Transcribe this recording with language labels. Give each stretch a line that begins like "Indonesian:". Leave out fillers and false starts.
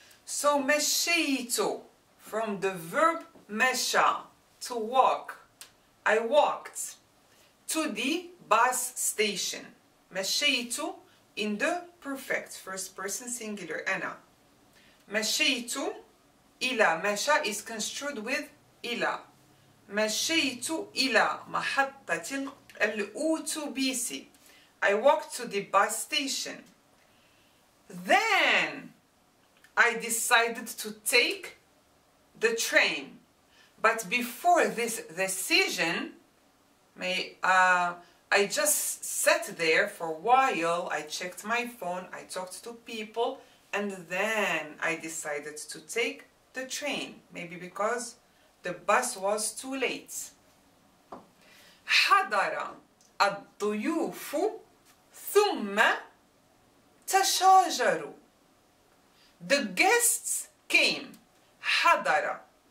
English: So مشيت, from the verb مشى, to walk. I walked to the bus station. مشيت in the perfect first person singular, أنا.
Arabic: مشيت إلى, مشى
English: is construed with
Arabic: إلى. مشيت إلى محطة الأوتوبيس.
English: I walked to the bus station. Then I decided to take the train. But before this decision, I just sat there for a while. I checked my phone, I talked to people, and then I decided to take the train. Maybe because the bus was too late.
Arabic: حضر الضيوف ثم تشاجروا.
English: The guests came.
Arabic: حضر.